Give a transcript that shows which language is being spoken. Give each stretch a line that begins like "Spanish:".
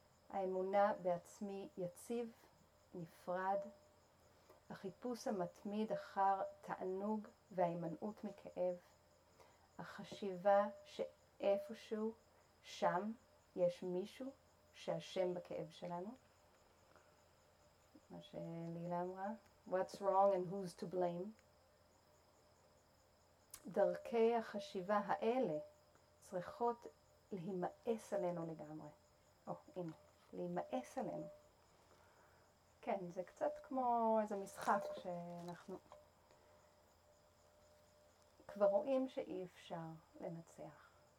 Hebrew: האמונה בעצמי יציב, נפרד, החיפוש המתמיד אחר תענוג וההימנעות מכאב, החשיבה שאיפשהו שם יש מישהו שאשם בכאב שלנו. מה שלילה אמרה,
English: what's wrong and who's to blame.
Hebrew: דרכי החשיבה האלה צריכות להימאס עלינו לגמרי. או, הנה, להימאס עלינו. כן, זה קצת כמו איזה משחק שאנחנו כבר רואים שאי אפשר לנצח.